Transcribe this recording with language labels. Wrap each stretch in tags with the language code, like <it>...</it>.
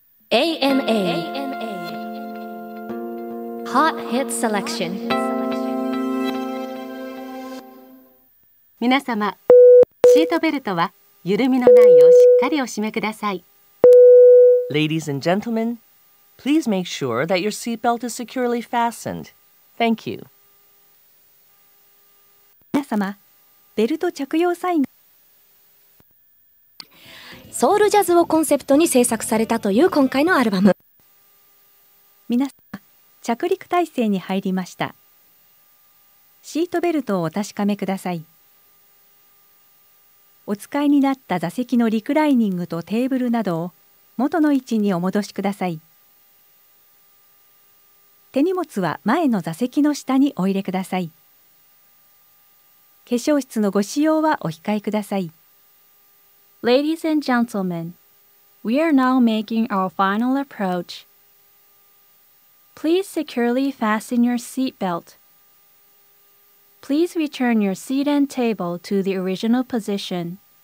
<en>ANA Hot Hit Selection。</en> <ja>皆様、シートベルトは緩みのないようしっかりお締めください。</ja> <en>Ladies and gentlemen, please make sure that your seatbelt is securely fastened. Thank you.</en> <ja>皆様、ベルト着用サイン。ソウルジャズをコンセプトに制作されたという今回のアルバム。皆様、着陸態勢に入りました。シートベルトをお確かめください。お使いになった座席のリクライニングとテーブルなどを元の位置にお戻しください。手荷物は前の座席の下にお入れください。化粧室のご使用はお控えください。</ja> <en>Ladies and gentlemen, we are now making our final approach. Please securely fasten your seat belt. Please return your seat and table to the original position.</en>